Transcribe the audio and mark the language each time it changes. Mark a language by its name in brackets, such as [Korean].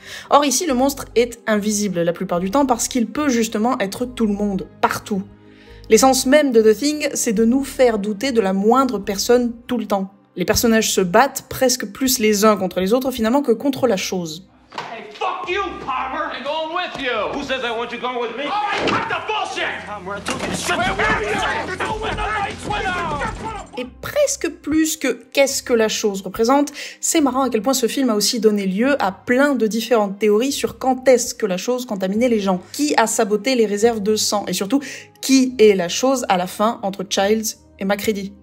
[French] Or ici, le monstre est invisible la plupart du temps parce qu'il peut justement être tout le monde, partout. L'essence même de The Thing, c'est de nous faire douter de la moindre personne tout le temps. Les personnages se battent presque plus les uns contre les autres finalement que contre la chose. [English] Hey, fuck you, Palmer! I'm going with you! Who says I want you going with me? Alright, cut the bullshit! Palmer, I told you to shut the fuck up! Where were you? [French] Et presque plus que « qu'est-ce que la chose représente », c'est marrant à quel point ce film a aussi donné lieu à plein de différentes théories sur quand est-ce que la chose contaminait les gens, qui a saboté les réserves de sang, et surtout, qui est la chose à la fin entre Childs et MacReady.